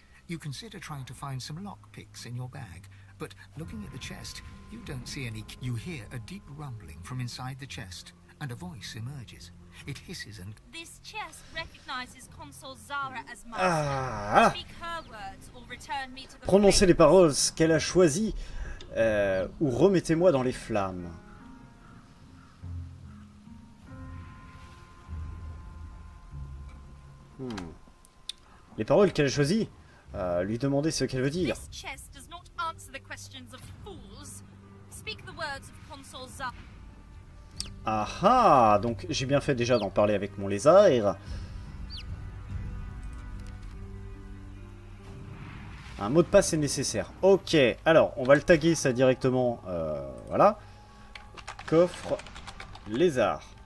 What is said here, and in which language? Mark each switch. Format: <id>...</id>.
<en>You consider trying to find some lock picks in your bag, but looking at the chest, you don't see any... You hear a deep rumbling from inside the chest, and a voice emerges. It hisses and... This chest recognizes Consul Zara as master. Ah. Speak her words or return me to the...</en> <fr>Prononcez les paroles qu'elle a choisies ou remettez-moi dans les flammes. Hmm. Les paroles qu'elle a choisies lui demander ce qu'elle veut dire.</fr> <en>This chest does not answer the questions of fools. Speak the words of Consul Zara.</en> <fr>Ah ah, donc j'ai bien fait déjà d'en parler avec mon lézard. Un mot de passe est nécessaire. Ok, alors on va le taguer ça directement. Voilà. Coffre lézard.</fr>